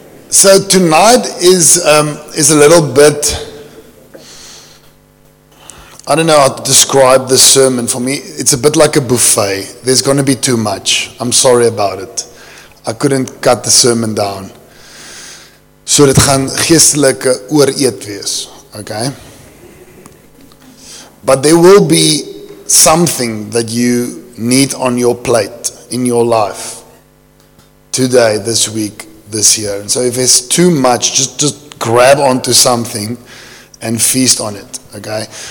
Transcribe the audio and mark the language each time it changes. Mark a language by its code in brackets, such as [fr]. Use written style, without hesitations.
[en] So tonight is a little bit, I don't know how to describe this sermon. For me, it's a bit like a buffet. There's going to be too much. I'm sorry about it. I couldn't cut the sermon down. [af] So dit gaan geestelike ooreet wees, okay? [en] But there will be something that you need on your plate in your life today, this week, this year. And so if it's too much, just grab onto something and feast on it, okay?